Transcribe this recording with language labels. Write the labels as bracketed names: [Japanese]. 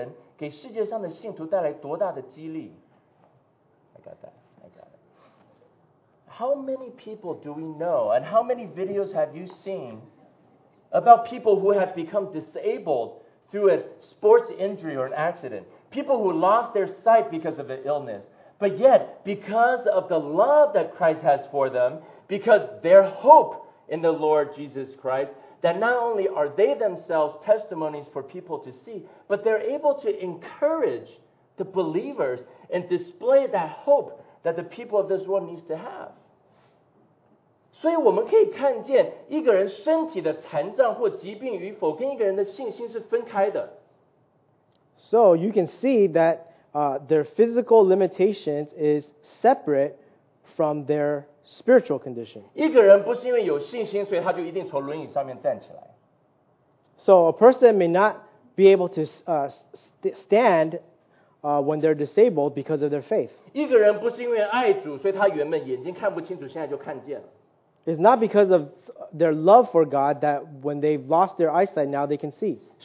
[Chinese] 很多时候就是这些身体上面因为运动伤害所以变成四肢这个残废或者是因为经过了什么病痛眼睛失明的人但是他们因为在神面前的信心和他们从主耶稣基督那边所得到的盼望他们不但是自己成为一个见证他们能够服侍人给世界上的信徒带来多大的激励。 [English] I got that. How many people do we know and how many videos have you seen about people who have become disabled through a sports injury or an accident? people who lost their sight because of an illness. But yet, because of the love that Christ has for them, because their hope in the Lord Jesus Christ, that not only are they themselves testimonies for people to see, but they're able to encourage the believers and display that hope that the people of this world needs to have. [Chinese] 所以我们可以看见一个人身体的残障或疾病与否跟一个人的信心是分开的。 [English] So you can see that their physical limitations is separate from their spiritual condition. [Chinese] 一个人不是因为有信心，所以他就一定从轮椅上面站起来。 [English] So a person may not be able to stand when they're disabled because of their faith. [Chinese] 一个人不是因为爱主，所以他原本眼睛看不清楚，现在就看见了。 [English] It's not because of their love for God that when they've lost their eyesight, now they can see.